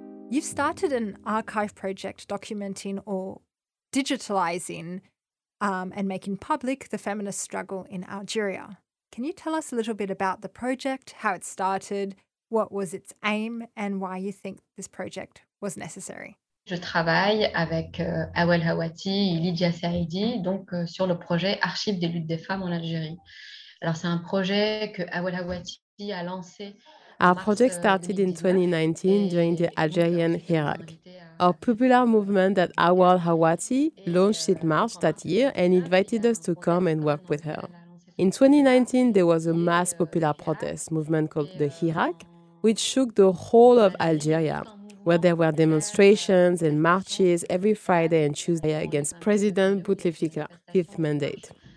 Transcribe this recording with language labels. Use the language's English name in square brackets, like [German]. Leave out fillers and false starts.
[English] You've started an archive project documenting or digitalising and making public the feminist struggle in Algeria. Can you tell us a little bit about the project, how it started, what was its aim, and why you think this project was necessary? [French] Je travaille avec Awel Hawati et Lydia Saidi, donc sur le projet Archives des luttes des femmes en Algérie. Alors c'est un projet que Awel Hawati a lancé. [English] Our project started in 2019 during the Algerian Hirak, a popular movement that Awel Hawati launched in March that year and invited us to come and work with her. In 2019, there was a mass popular protest movement called the Hirak, which shook the whole of Algeria, where there were demonstrations and marches every Friday and Tuesday against President Bouteflika's fifth mandate.